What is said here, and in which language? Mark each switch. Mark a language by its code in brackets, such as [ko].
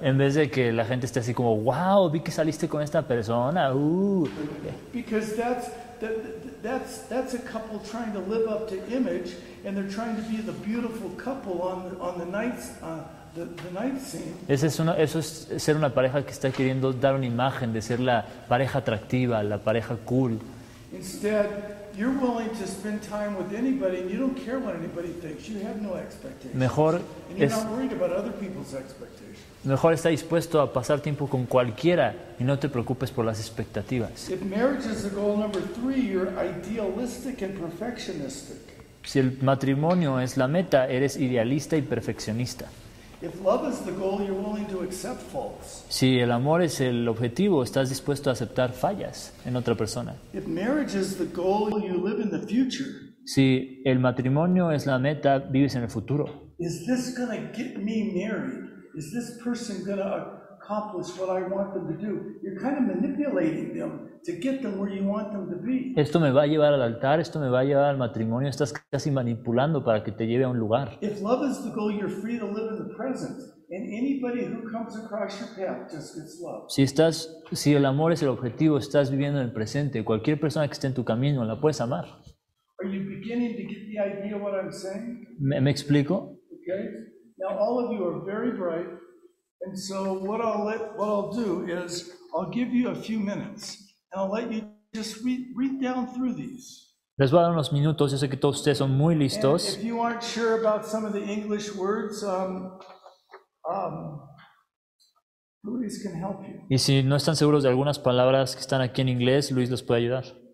[es] En vez de que la gente esté así como, wow, vi que saliste con esta persona. [en] Because that's a couple trying to live up to image, and they're trying to be the beautiful couple on the night scene. [es] Eso es ser una pareja que está queriendo dar una imagen de ser la pareja atractiva, la pareja cool. [en] Instead, you're willing to spend time with anybody and you don't care what anybody thinks. You have no expectations. [es] Mejor [en] and you're not worried about other people's expectations. [es] Mejor está dispuesto a pasar tiempo con cualquiera y no te preocupes por las expectativas. [en] If marriage is the goal number three, you're idealistic and perfectionistic. [es] Si el matrimonio es la meta, eres idealista y perfeccionista. [en] If love is the goal, you're willing to accept faults. [es] Si el amor es el objetivo, estás dispuesto a aceptar fallas en otra persona. [en] If marriage is the goal, you live in the future. [es] Si el matrimonio es la meta, vives en el futuro. [en] Is this going to get me married? Is this person going to accomplish what I want them to do? You're kind of manipulating them to get them where you want them to be. [es] Esto me va a llevar al altar, esto me va a llevar al matrimonio, estás casi manipulando para que te lleve a un lugar. [en] If love is the goal, you're free to live in the present, and anybody who comes across your path just gets love. [es] Si el amor es el objetivo, estás viviendo en el presente, cualquier persona que esté en tu camino la puedes amar. [en] Are you beginning to get the idea of what I'm saying? [es] ¿Me explico? [en] Okay. Now all of you are very bright, and so what I'll do is I'll give you a few minutes. And I'll let you just read down through these. [es] Les voy a dar unos minutos. Yo sé que todos ustedes son muy listos. [en] And if you aren't sure about some of the English words, Luis can help you. [es] Y si no están seguros de algunas palabras que están aquí en inglés, Luis les puede ayudar.